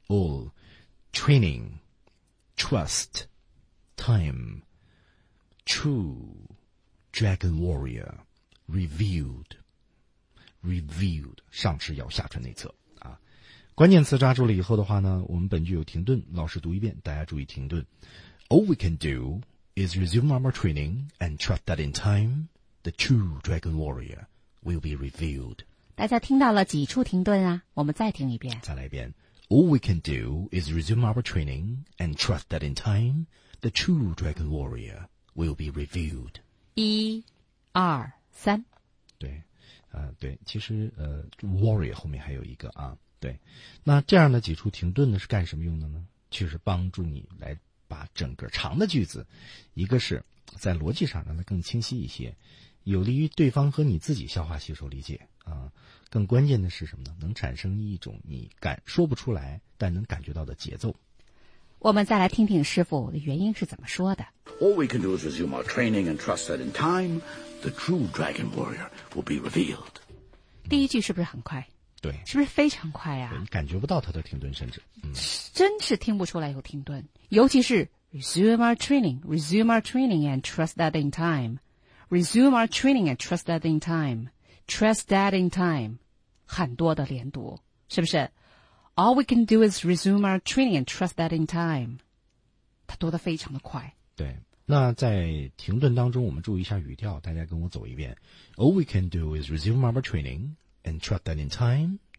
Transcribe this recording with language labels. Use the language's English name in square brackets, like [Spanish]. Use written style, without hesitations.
[English] All training, trust, time, true dragon warrior, revealed, revealed, [Chinese] 上齿咬下唇内侧啊。关键词抓住了以后的话呢，我们本句有停顿，老师读一遍，大家注意停顿。 [English] All we can do is resume our training and trust that in time, the true dragon warrior will be revealed. [Chinese] 大家听到了几处停顿啊？我们再听一遍。再来一遍。 [English] All we can do is resume our training and trust that in time, the true dragon warrior will be revealed. [Chinese] 一、二、三。对，对，其实warrior 后面还有一个啊，对。那这样的几处停顿呢，是干什么用的呢？就是帮助你来把整个长的句子，一个是在逻辑上让它更清晰一些，有利于对方和你自己消化吸收理解。更关键的是什么呢？能产生一种你感说不出来但能感觉到的节奏。我们再来听听师父的原因是怎么说的。 [English] All we can do is resume our training and trust that in time, the true dragon warrior will be revealed. [Chinese] 第一句是不是很快？对，是不是非常快啊？你感觉不到他的停顿，甚至，真是听不出来有停顿。尤其是 [English] resume our training and trust that in time, resume our training and trust that in time. Trust that in time, [Chinese] 很多的连读，是不是 [English] ？All we can do is resume our training and trust that in time. [Chinese] 它读得非常的快。对，那在停顿当中，我们注意一下语调，大家跟我走一遍。 [English] All we can do is resume our training and trust that in time.